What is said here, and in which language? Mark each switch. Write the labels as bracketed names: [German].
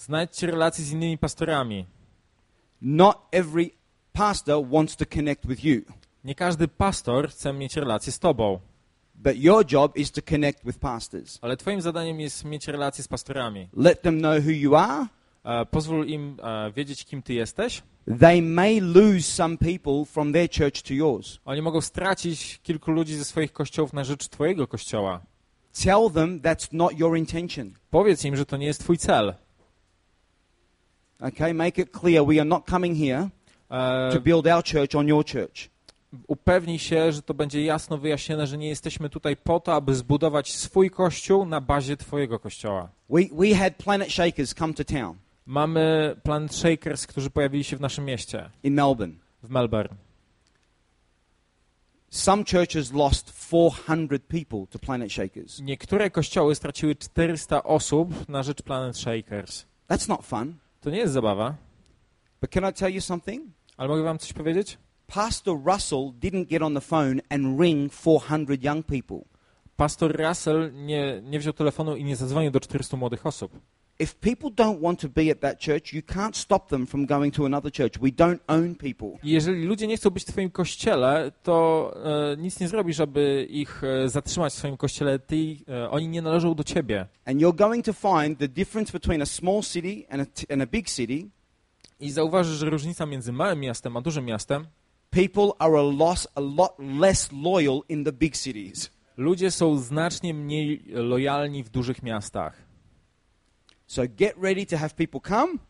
[Polish] Znajdźcie relacje z innymi pastorami. [English] Not every pastor wants to connect with you. [Polish] Nie każdy pastor chce mieć relacje z tobą. [English] But your job is to connect with pastors. [Polish] Ale twoim zadaniem jest mieć relacje z pastorami. [English] Let them know who you are. [Polish] Pozwól im wiedzieć, kim ty jesteś. [English] They may lose some people from their church to yours. [Polish] Oni mogą stracić kilku ludzi ze swoich kościołów na rzecz twojego kościoła. [English] Tell them that's not your intention. [Polish] Powiedz im, że to nie jest twój cel. [English] Okay, make it clear we are not coming here to build our church on your church. [Polish] Upewnij się, że to będzie jasno wyjaśnione, że nie jesteśmy tutaj po to, aby zbudować swój kościół na bazie twojego kościoła. [English] We had Planet Shakers come to town. [Polish] Mamy Planet Shakers, którzy pojawili się w naszym mieście. [English] In Melbourne. [Polish] W Melbourne. [English] Some churches lost 400 people to Planet Shakers. [Polish] Niektóre kościoły straciły 400 osób na rzecz Planet Shakers. [English] That's not fun. [Polish] To nie jest zabawa. [English] But can I tell you something? [Polish] Ale mogę wam coś powiedzieć? [English] Pastor Russell didn't get on the phone and ring 400 young people. [Polish] Pastor Russell nie wziął telefonu i nie zadzwonił do 400 młodych osób. [English] If people don't want to be at that church, you can't stop them from going to another church. We don't own people. [Polish] Jeżeli ludzie nie chcą być w twoim kościele, to nic nie zrobisz, aby ich zatrzymać w swoim kościele. Oni nie należą do ciebie. [English] And you're going to find the difference between a small city and a big city. [Polish] I zauważysz, że różnica między małym miastem a dużym miastem. [English] People are a lot less loyal in the big cities. [Polish] Ludzie są znacznie mniej lojalni w dużych miastach. [English] So get ready to have people come.